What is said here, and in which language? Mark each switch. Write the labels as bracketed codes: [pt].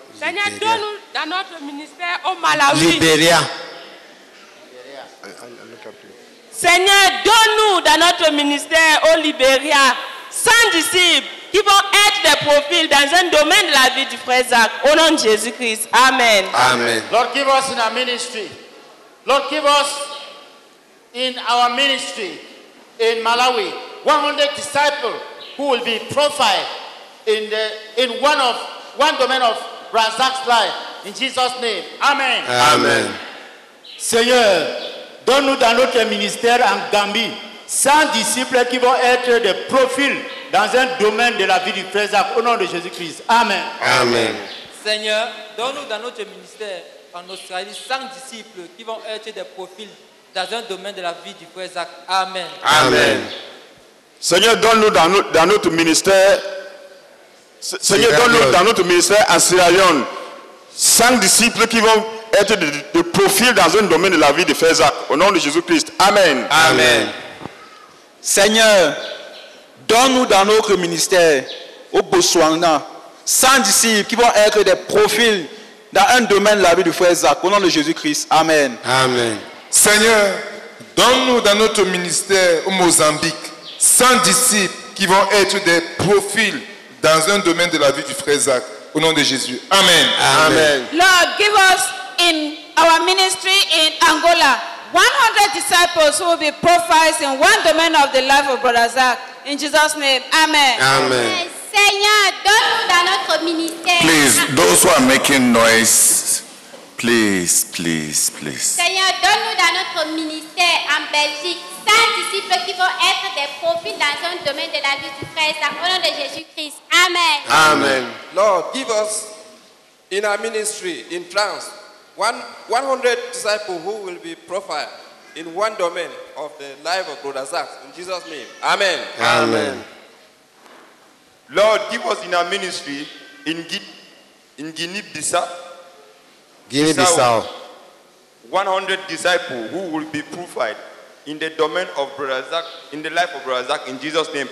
[fr] Seigneur, donne-nous dans notre ministère au Malawi. Libéria. Seigneur, donne-nous dans notre ministère au Libéria 100 disciples qui vont être des profils dans un domaine de la vie du frère Zach. Au nom de Jésus-Christ. Amen. Amen. [en] Lord, give us in our ministry. Lord, give us in our ministry in Malawi 100 disciples who will be profiled in one domain of Razak's life. In Jesus' name. Amen. Amen. [fr] Seigneur, donne-nous dans notre ministère en Gambie 100 disciples qui vont être des profils dans un domaine de la vie du frère Zach, au nom de Jésus-Christ. Amen. Amen. Seigneur, donne-nous dans notre ministère en Australie 100 disciples qui vont être des profils dans un domaine de la vie du frère Zach. Amen. Amen. Seigneur, donne-nous dans notre ministère. Seigneur, donne-nous dans notre ministère en Sierra Leone 100 disciples qui vont être de profil dans un domaine de la vie de Fézac, au nom de Jésus-Christ. Amen. Amen. Seigneur, donne-nous dans notre ministère au Botswana 100 disciples qui vont être des profils dans un domaine de la vie de Fézac, au nom de Jésus-Christ. Amen. Amen. Seigneur, donne-nous dans notre ministère au Mozambique 100 disciples qui vont être des profils dans un domaine de la vie du frère Zach, au nom de Jésus. Amen. Amen. [en] Lord, give us in our ministry in Angola 100 disciples who will be profiles in one domain of the life of Brother Zach. In Jesus' name. Amen. Amen. [fr] Seigneur, donne-nous dans notre ministère. [en] Please, those who are making noise, please, please, please. [fr] Seigneur, donne-nous dans notre ministère en Belgique 100 disciples qui vont être des profils dans un domaine de la vie du frère Zach, au nom de Jésus-Christ. Amen. Amen. [en] Lord, give us in our ministry in France 100 disciples who will be profiled in one domain of the life of Brother Zach. In Jesus' name. Amen. Amen. Amen. Lord, give us in our ministry in Guinea-Bissau 100 disciples who will be profiled in the domain of Brother Zach, in the life of Brother Zach, in Jesus' name.